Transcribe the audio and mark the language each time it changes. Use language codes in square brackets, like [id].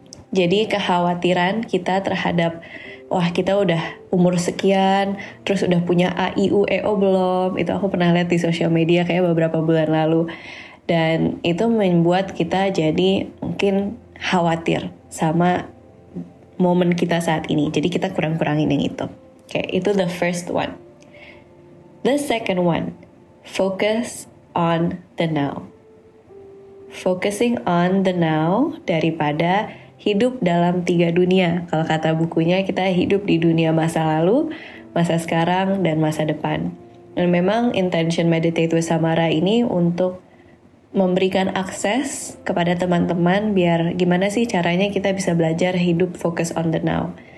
[id] Jadi kekhawatiran kita terhadap, wah, kita udah umur sekian, terus udah punya A, I, U, E, O belum, itu aku pernah lihat di sosial media kayak beberapa bulan lalu. Dan itu membuat kita jadi mungkin khawatir sama momen kita saat ini. Jadi kita kurang-kurangin yang itu. Oke, itu [en] the first one. The second one, focus on the now. Focusing on the now [id] daripada hidup dalam tiga dunia. Kalau kata bukunya, kita hidup di dunia masa lalu, masa sekarang, dan masa depan. Dan memang intention Meditate with Samara ini untuk memberikan akses kepada teman-teman biar gimana sih caranya kita bisa belajar hidup [en] focus on the now.